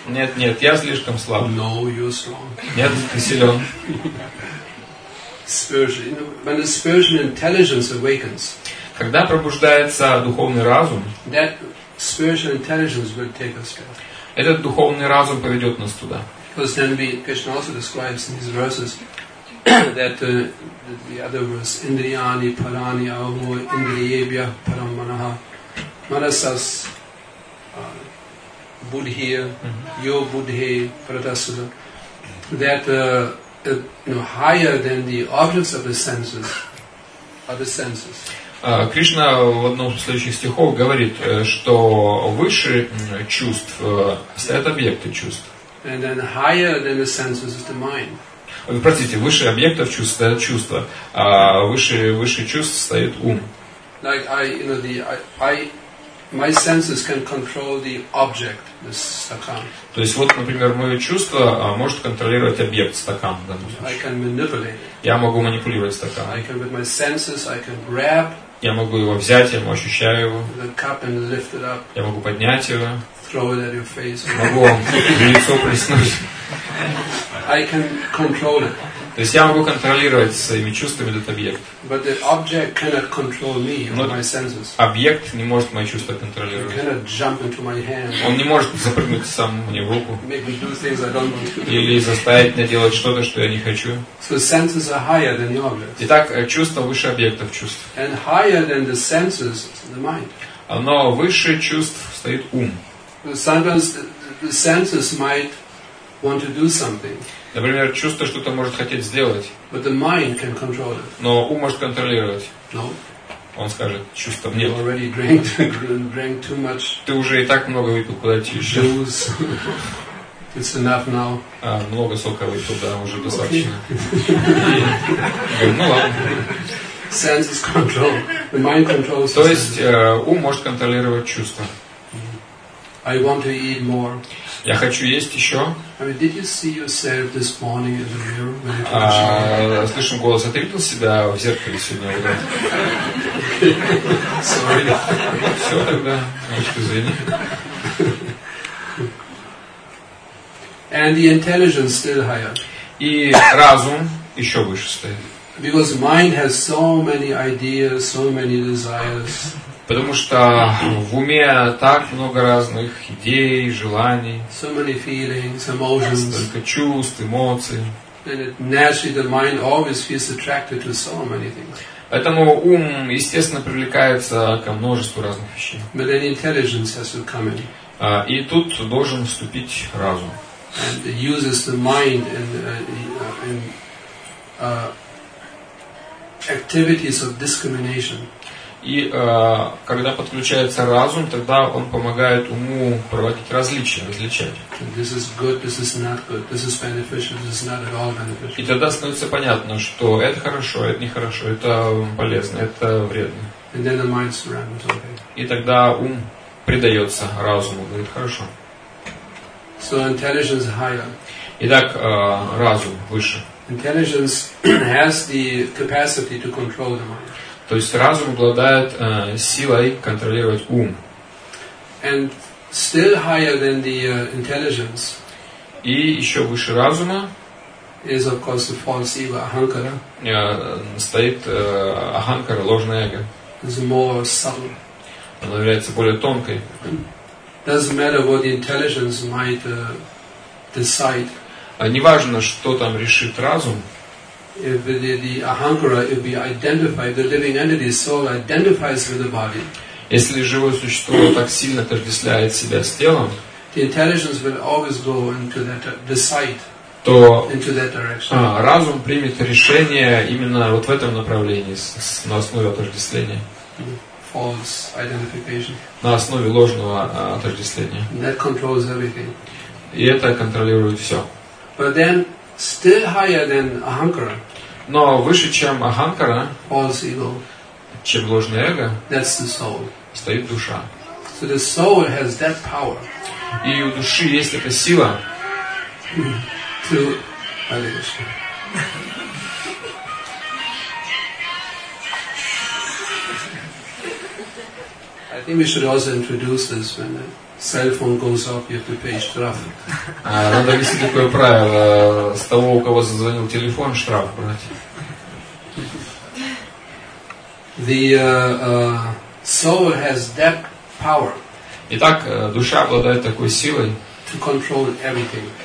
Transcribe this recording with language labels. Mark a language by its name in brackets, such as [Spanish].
[Russian] Нет, я слишком слаб. [English] No, you're strong. [Russian] Нет, ты силен. [English] When the spiritual intelligence awakens, [Russian] когда пробуждается духовный разум, [English] that spiritual intelligence will take us there. [Russian] Этот духовный разум поведет нас туда. [English] Because then Krishna also describes in his verses that the other verse, Indriyani, Parani, Ahu, Indriyebhya, Param Manaha, Manasas, Buddhir, Yo Buddhe, Pratasuda, that higher than the objects of the senses are the senses. [Russian] Кришна в одном из следующих стихов говорит, что выше чувств стоят объекты чувств. [English] And then higher than the senses is the mind. [Russian] Простите, выше объектов чувств стоят чувства, а выше чувств стоит ум. [English] Like I, you know, my senses can control the object, the stakan. [Russian] То есть вот, например, мое чувство может контролировать объект, стакан, в данном случае. [English] I can manipulate. [Russian] Я могу манипулировать стаканом. [English] I can, with my senses, I can grab. [Russian] Я могу его взять, я ощущаю его. [English] The cup and lift it up. [Russian] Я могу поднять его. [English] Throw it at your face. [Russian] Могу вам лицо плеснуть. [English] I can control it. [Russian] То есть я могу контролировать своими чувствами этот объект. [English] But the object cannot control me or my senses. [Russian] Объект не может мои чувства контролировать. [English] He cannot jump into my hand. [Russian] Он не может запрыгнуть сам мне в руку. [English] Make me do things I don't want to do. [Russian] Или заставить меня делать что-то, что я не хочу. [English] So senses are higher than the objects. [Russian] Итак, чувства выше объектов чувств. [English] And higher than the senses, the mind. [Russian] Но выше чувств стоит ум. [English] Sometimes the senses might want to do something. [Russian] Например, чувство что-то может хотеть сделать. [English] But the mind can control it. [Russian] Но ум может контролировать. [English] No. [Russian] Он скажет, чувство нет. [English] You already drank too much. [Russian] Ты уже и так много выпил, куда тебе еще? [English] It's enough now. [Russian] А, много сока выпил, да, уже достаточно. Ну ладно. [English] Senses control. The mind controls. [Russian] То есть ум может контролировать чувства. [English] I want to eat more. [Russian] Я хочу есть еще. [English] I mean, did you see yourself this morning in the mirror when you came? [Russian] Слышим голос. А ты видел себя в зеркале сегодня? Да? [English] Sorry. [Russian] Все тогда. Может, извини. [English] And the intelligence still higher. [Russian] И разум еще выше стоит. [English] Because mind has so many ideas, so many desires. [Russian] Потому что в уме так много разных идей, желаний. [English] So many feelings, emotions. [Russian] Столько чувств, эмоций. [English] And naturally the mind always feels attracted to so many things. [Russian] Поэтому ум, естественно, привлекается ко множеству разных вещей. [English] But then intelligence has to come in. [Russian] И тут должен вступить разум. [English] And it uses the mind in activities of discrimination. [Russian] И когда подключается разум, тогда он помогает уму проводить различия, различать. [English] This is good, this is not good, this is beneficial, this is not at all beneficial. [Russian] И тогда становится понятно, что это хорошо, это нехорошо, это полезно, это вредно. [English] And then the mind surrenders, okay. [Russian] И тогда ум предается разуму, говорит, хорошо. [English] So intelligence higher. [Russian] Итак, разум выше. [English] Intelligence has the capacity to control the mind. [Russian] То есть разум обладает силой контролировать ум. [English] And still higher than the intelligence. [Russian] И еще выше разума [English] is of course the false ego, ahankara. [Russian] Стоит ahankara, ложное эго. [English] It's more subtle. [Russian] Она является более тонкой. [English] Doesn't matter what the intelligence might decide. [Russian] Не важно, что там решит разум. [English] If the ahankara, if we identify the living entity, soul identifies with the body. [Russian] Если живое существо так сильно отождествляет себя с телом, [English] the intelligence will always go into that decide. [Russian] То [English] into that direction. [Russian] Разум примет решение именно вот в этом направлении на основе отождествления. [English] False identification. [Russian] На основе ложного отождествления. [English] That controls everything. [Russian] И это контролирует все. [English] But then. Still higher than ahankara. [Russian] Но выше, чем ahankara. [English] False ego. [Russian] Чем ложное эго. [English] That's the soul. [Russian] Стоит душа. [English] So the soul has that power. [Russian] И у души есть эта сила. [English] To. Hare Krishna. I think we should also introduce this when. Cell phone goes off, you have to pay штраф. [Russian] Надо вести такое правило: с того, у кого зазвонил телефон, штраф брать. [English] The soul has that power. [Russian] Итак, душа обладает такой силой, [English] to control everything,